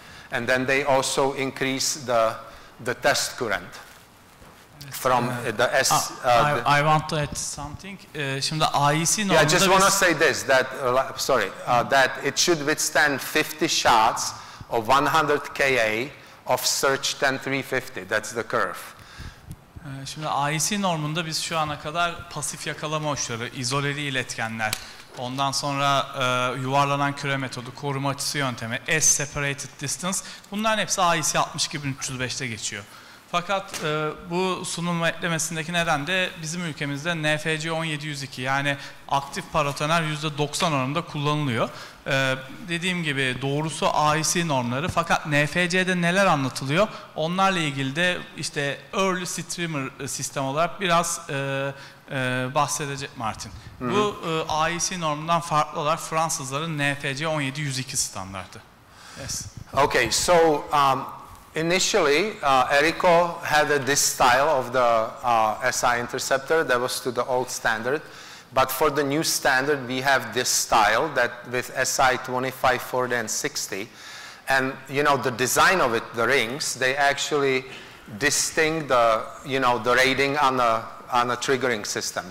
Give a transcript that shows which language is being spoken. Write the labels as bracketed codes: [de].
[en] And then they also increase the test current. From the S, I want to add something. [tr] Şimdi IEC normalde. [en] Yeah, I just want to say this. That sorry, that it should withstand 50 shots of 100 ka of surge 10350. That's the curve. [tr] Şimdi IEC normunda biz şu ana kadar pasif yakalama uçları, izoleli iletkenler, ondan sonra yuvarlanan küre metodu, koruma açısı yöntemi, S separated distance, bunların hepsi IEC 62305'te geçiyor. Fakat bu sunum eklemesindeki neden de bizim ülkemizde NFC 1702 yani aktif paratoner %90 oranında kullanılıyor. Dediğim gibi doğrusu IEC normları fakat NFC'de neler anlatılıyor? Onlarla ilgili de işte early streamer sistem olarak biraz bahsedecek Martin. Hı-hı. Bu IEC normundan farklı olarak Fransızların NFC 1702 standardı. [en] Yes. Okay, so initially, Erico had this style of the SI interceptor that was to the old standard, but for the new standard, we have this style that with SI 25, 40, and 60. And you know the design of it, the rings, they actually distinct the you know the rating on a triggering system.